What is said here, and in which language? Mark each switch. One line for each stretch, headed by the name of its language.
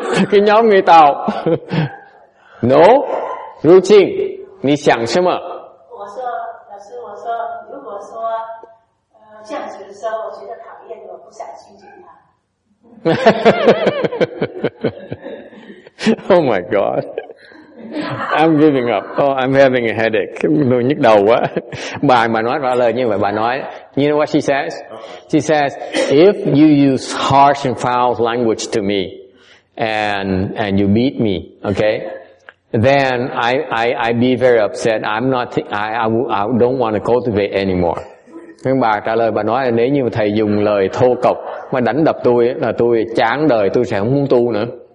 Vietnamese: Cái nhóm người Tàu.
English: No. Routine.
Chinese: 你想什么？我说，老师，我说，如果说，这样子的时候，我觉得讨厌，我不想亲近他。
English: Oh my god. I'm giving up. Oh, I'm having a headache.
Vietnamese: Tôi nhức đầu quá. Bà nói trả lời như vậy. Bà nói,
English: you know what she says? She says, if you use harsh and foul language to me and you beat me, okay, then I be very upset. I'm not, I don't want to cultivate anymore.
Vietnamese: Nhưng bà trả lời, bà nói là nếu như thầy dùng lời thô cộc mà đánh đập tôi là tôi chán đời, tôi sẽ không muốn tu nữa.